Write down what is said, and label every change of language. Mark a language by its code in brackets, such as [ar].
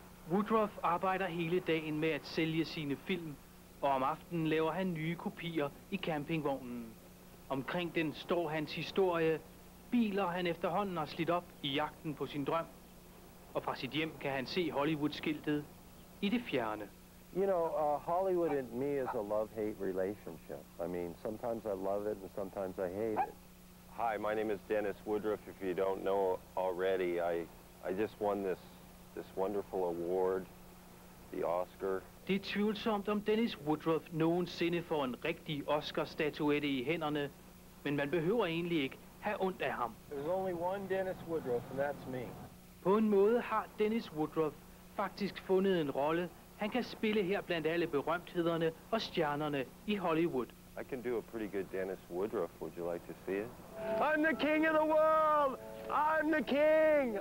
[da] Woodruff arbejder hele dagen med at sælge sine film, og om aftenen laver han nye kopier i campingvognen. Omkring den står hans historie, biler han efterhånden har slidt op i jagten på sin drøm, og fra sit hjem kan han se Hollywood-skiltet i det fjerne. [en] You know, Hollywood and me is a love-hate relationship. I mean, sometimes I love it and sometimes I hate it. Hi, my name is Dennis Woodruff. If you don't know already, I just won this wonderful award, the Oscar. [da] Det er tvivlsomt, om Dennis Woodruff nogensinde får en rigtig Oscar-statuette i hænderne, men man behøver egentlig ikke have ondt af ham. [en] There's only one Dennis Woodruff, and that's me. [da] På en måde har Dennis Woodruff faktisk fundet en rolle, han kan spille her blandt alle berømthederne og stjernerne i Hollywood. [en] I can do a pretty good Dennis Woodruff. Would you like to see it? I'm the king of the world! I'm the king!